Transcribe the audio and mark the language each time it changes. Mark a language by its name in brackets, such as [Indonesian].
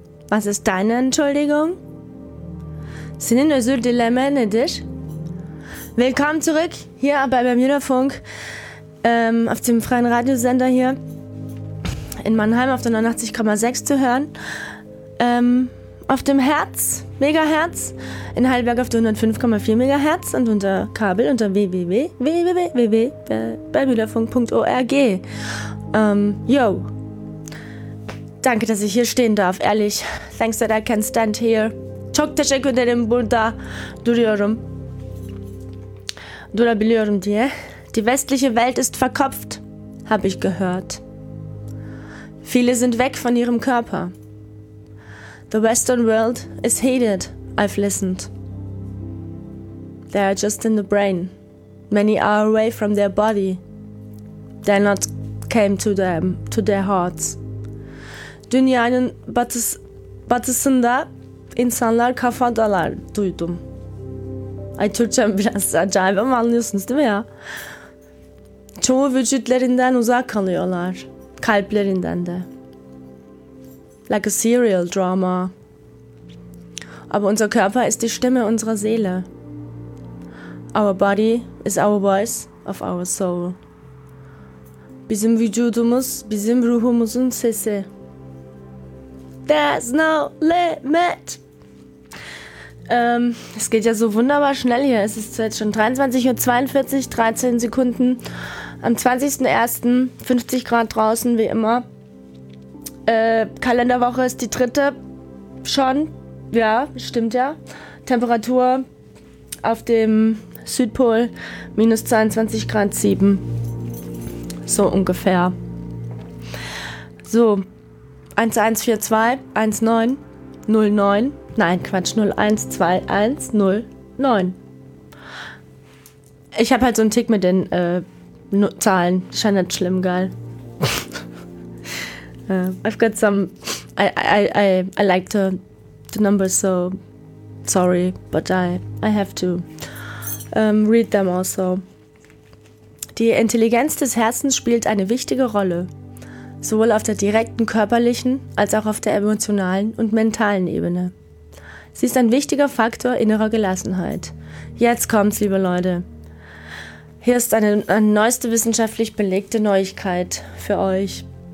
[German] Was ist deine Entschuldigung? [Turkish] Sinin özür dileme nedir? [German] Willkommen zurück hier bei Bermudafunk auf dem freien Radiosender hier in Mannheim auf der 89,6 zu hören. Auf dem Herz, Megahertz, in Heidelberg auf der 105,4 Megahertz und unter Kabel unter www.bermudafunk.org. Yo! Danke, dass ich hier stehen darf, ehrlich. [English] Thanks that I can stand here. [Turkish] Çok teşekkür ederim burada duruyorum. Durabiliyorum diye. [German] Die westliche Welt ist verkopft, habe ich gehört. Viele sind weg von ihrem Körper. [English] The Western world is hated, I've listened. They are just in the brain. Many are away from their body. They not came to them, to their hearts. [Turkish] Dünyanın batısında insanlar kafadalar duydum. Ay Türkçem biraz acayip ama anlıyorsunuz değil mi ya? Çoğu vücutlarından uzak kalıyorlar. Kalplerinden de. [English] Like a serial drama. [German] Aber unser Körper ist die Stimme unserer Seele. [English] Our body is our voice of our soul. [Turkish] Bizim vücudumuz bizim ruhumuzun sesi. [English] There's no limit. [German] Es geht ja so wunderbar schnell hier. Es ist jetzt schon 23.42 Uhr, 13 Sekunden. Am 20.01. 50 Grad draußen, wie immer. Kalenderwoche ist die dritte schon. Ja, stimmt ja. Temperatur auf dem Südpol minus 22 Grad 7. So ungefähr. So, 1142, 19, 09, nein, Quatsch, 01, 2, 1, 0, 9. Ich habe halt so einen Tick mit den Zahlen. Scheint nicht schlimm, geil. [English] I've got some... I like the numbers, so sorry, but I have to read them also. [German] Die Intelligenz des Herzens spielt eine wichtige Rolle, sowohl auf der direkten körperlichen als auch auf der emotionalen und mentalen Ebene. Sie ist ein wichtiger Faktor innerer Gelassenheit. Jetzt kommt's, liebe Leute. Hier ist eine neueste wissenschaftlich belegte Neuigkeit für euch.